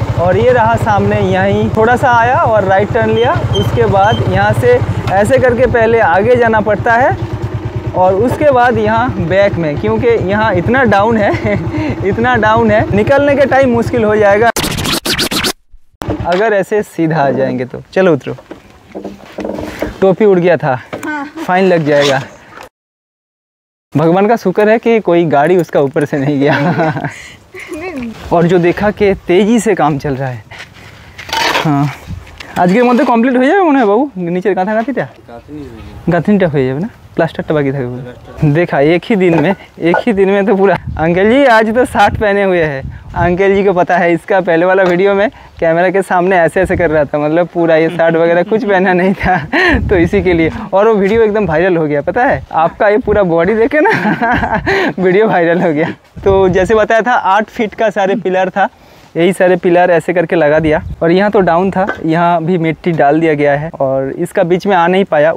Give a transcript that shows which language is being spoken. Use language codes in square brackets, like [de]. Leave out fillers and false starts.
[hi] और ये रहा सामने, यहीं थोड़ा सा आया और राइट टर्न लिया, उसके बाद यहाँ से ऐसे करके पहले आगे जाना पड़ता है और उसके बाद यहाँ बैक में, क्योंकि यहाँ इतना डाउन है निकलने के टाइम मुश्किल हो जाएगा अगर ऐसे सीधा आ जाएंगे तो। चलो उतरो, टोपी उड़ गया था, फाइन लग जाएगा, भगवान का शुक्र है कि कोई गाड़ी उसका ऊपर से नहीं गया। और जो देखा कि तेजी से काम चल रहा है, हाँ, [bn] আজকের মধ্যে কমপ্লিট হয়ে যাবে মনে হয় বাবু, নিচের গাঁথাগাঁথিটা গাঁথনিটা হয়ে যাবে না, প্লাস্টারটা বাকি থাকবে। [hi] দেখা এক হি দিন মে তো পুরা আঙ্কেল জি আজ তো শার্ট পেহনে হুয়ে হ্যাঁ। अंकल जी को पता है इसका पहले वाला वीडियो में कैमरा के सामने ऐसे ऐसे कर रहा था, मतलब पूरा ये शर्ट वगैरह कुछ पहना नहीं था तो इसी के लिए, और वो वीडियो एकदम वायरल हो गया। पता है आपका ये पूरा बॉडी देखे ना वीडियो वायरल हो गया। तो जैसे बताया था 8 फीट का सारे पिलर था, यही सारे पिलर ऐसे करके लगा दिया, और यहाँ तो डाउन था, यहाँ भी मिट्टी डाल दिया गया है और इसका बीच में आ नहीं पाया।